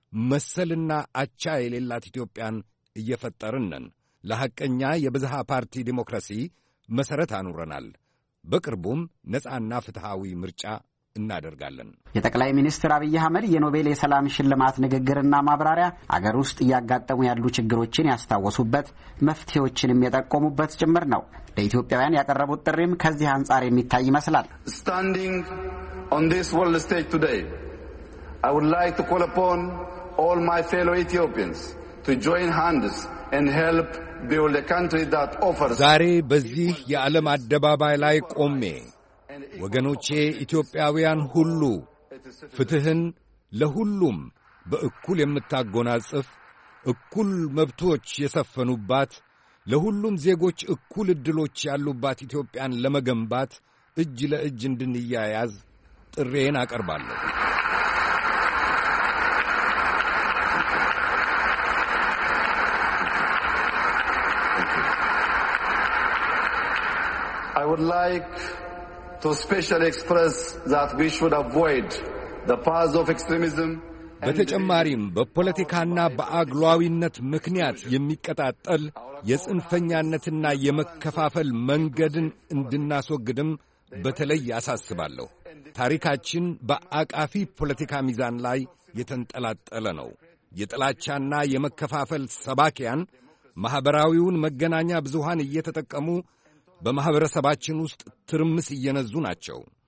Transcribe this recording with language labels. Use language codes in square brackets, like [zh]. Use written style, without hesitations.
[am] መሰልና አቻ የሌላት ኢትዮጵያን እየፈጠርን ነን። ለሐቀኛ የብዝሃ ፓርቲ ዲሞክራሲ መሠረት አኑረናል። በቅርቡም ነጻና ፍትሃዊ ምርጫ እናደርጋለን። የጠቅላይ ሚኒስትር አብይ አህመድ የኖቤል የሰላም ሽልማት ንግግርና ማብራሪያ አገር ውስጥ ያጋጠሙ ያሉ ችግሮችን ያስታወሱበት መፍትሄዎችንም የጠቆሙበት ጭምር ነው። ለኢትዮጵያውያን ያቀረቡት ጥሪም ከዚህ አንጻር የሚታይ መስላል። [en] Standing on this world stage today, I would like to call upon all my fellow Ethiopians to join hands and help build a country that offers. [am] ዛሬ በዚህ የዓለም አደባባይ ላይ ቆሜ ወገኖቼ ኢትዮጵያውያን ሁሉ ፍትህን ለሁሉም በእኩል የምታጎናጽፍ እኩል መብቶች የሰፈኑባት ለሁሉም ዜጎች እኩል እድሎች ያሉባት ኢትዮጵያን ለመገንባት እጅ ለእጅ እንድንያያዝ ጥሬን አቀርባለሁ። [en] I would like to specially express that we should avoid the paths of extremism. [am] በተጨማሪም በፖለቲካና በአግሏዊነት ምክንያት የሚቀጣጠል የጽንፈኛነትና የመከፋፈል መንገድን እንድናስወግድም በተለይ አሳስባለሁ። ታሪካችን በአቃፊ ፖለቲካ ሚዛን ላይ የተንጠላጠለ ነው። የጥላቻና የመከፋፈል ሰባኪያን ማህበራዊውን መገናኛ ብዙሃን እየተጠቀሙ በማህበረሰባችን ውስጥ ትርምስ እየነዙ ናቸው።